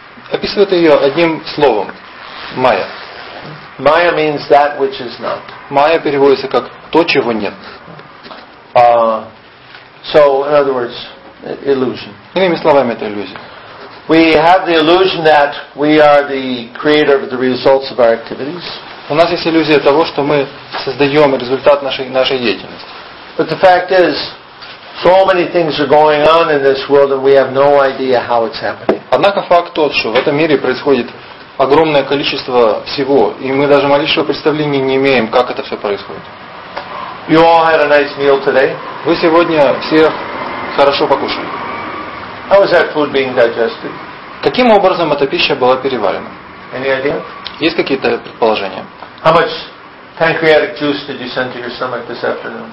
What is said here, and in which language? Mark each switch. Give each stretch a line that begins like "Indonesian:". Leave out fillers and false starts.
Russian: Описывает ее одним словом.
English: Maya. Maya means that which is not.
Russian: Maya переводится как то, чего нет.
English: So, in other words, illusion.
Russian: Иными словами, это иллюзия.
English: We have the illusion that we are the creator of the results of our activities.
Russian: У нас есть иллюзия того, что мы создаем результат нашей деятельности.
English: But the fact is, so many things are going on in this world that we have no idea how it's happening.
Russian: Однако факт тот, что в этом мире происходит огромное количество всего, и мы даже малейшего представления не имеем, как это все происходит.
English: You all had a nice meal today.
Russian: Вы сегодня все хорошо покушали.
English: How is that food being digested?
Russian: Каким образом эта пища была переварена?
English: Any idea?
Russian: Есть какие-то предположения?
English: How much pancreatic juice did you send to your stomach this afternoon?